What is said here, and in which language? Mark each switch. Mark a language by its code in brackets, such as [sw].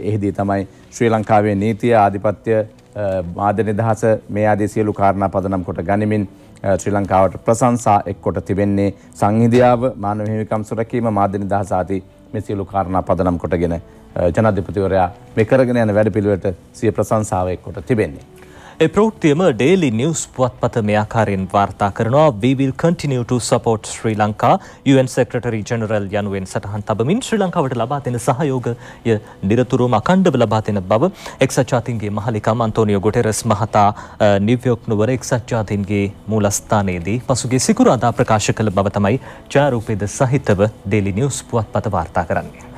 [si] එෙහිදී තමයි ශ්‍රී ලංකාවේ නීතිය ආධිපත්‍ය මාධ්‍ය නිදහස මේ ආදී සියලු කාරණා පදනම් කොට ගනිමින් ශ්‍රී ලංකාවට ප්‍රශංසා එක්කොට තිබෙන්නේ සංහිඳියාව මානව හිමිකම් සුරකීම මාධ්‍ය නිදහස ආදී මේ සියලු කාරණා පදනම් කොටගෙන ජනාධිපතිවරයා මේ කරගෙන යන වැඩපිළිවෙලට සිය ප්‍රශංසාව එක්කොට තිබෙන්නේ. ඒ ප්‍රවෘත්තියම ඩේලි නිවුස් පුවත්පත මේ ආකාරයෙන් වාර්තා කරනවා. [en] We will continue to support Sri Lanka. UN Secretary General [si] යනුවෙන් සටහන් තබමින් ශ්‍රී ලංකාවට ලබා දෙන සහයෝගය නිරතුරුවම අඛණ්ඩව ලබා දෙන බව එක්සත් ජාතීන්ගේ මහලිකම් අන්තෝනියෝ ගුටෙරස් මහතා නිව්යෝක් නුවර එක්සත් ජාතීන්ගේ මූලස්ථානයේදී පසුගිය සිකුරාදා ප්‍රකාශ කළ බව තමයි ඡායාරූපයේද සහිතව ඩේලි නිවුස් පුවත්පත වාර්තා කරන්නේ.